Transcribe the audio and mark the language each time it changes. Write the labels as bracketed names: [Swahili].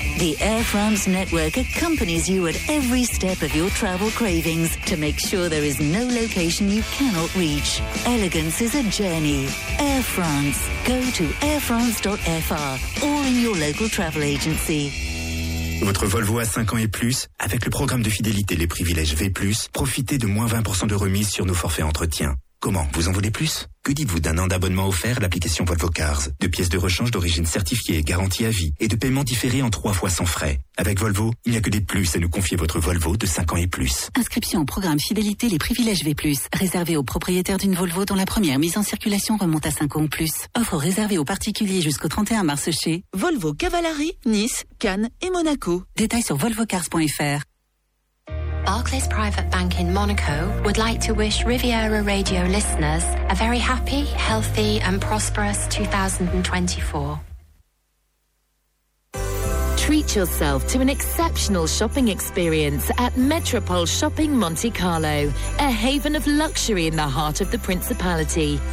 [English] The Air France network accompanies you at every step of your travel cravings to make sure there is no location you cannot reach. Elegance is a journey. Air France. Go to airfrance.fr or in your local travel agency. [French] Votre Volvo a 5 ans et plus, avec le programme de fidélité Les Privilèges V+, profitez de moins 20% de remise sur nos forfaits entretien. Comment? Vous en voulez plus? Que dites-vous d'un an d'abonnement offert à l'application Volvo Cars? De pièces de rechange d'origine certifiée et garantie à vie et de paiement différé en 3 fois sans frais. Avec Volvo, il n'y a que des plus à nous confier votre Volvo de 5 ans et plus. Inscription au programme Fidélité Les Privilèges V+, réservé aux propriétaires d'une Volvo dont la première mise en circulation remonte à 5 ans ou plus. Offre réservée aux particuliers jusqu'au 31 mars chez Volvo Cavalry, Nice, Cannes et Monaco. Détails sur volvocars.fr. [English] Barclays Private Bank in Monaco would like to wish Riviera Radio listeners a very happy, healthy and prosperous 2024. Treat yourself to an exceptional shopping experience at Metropole Shopping Monte Carlo, a haven of luxury in the heart of the Principality.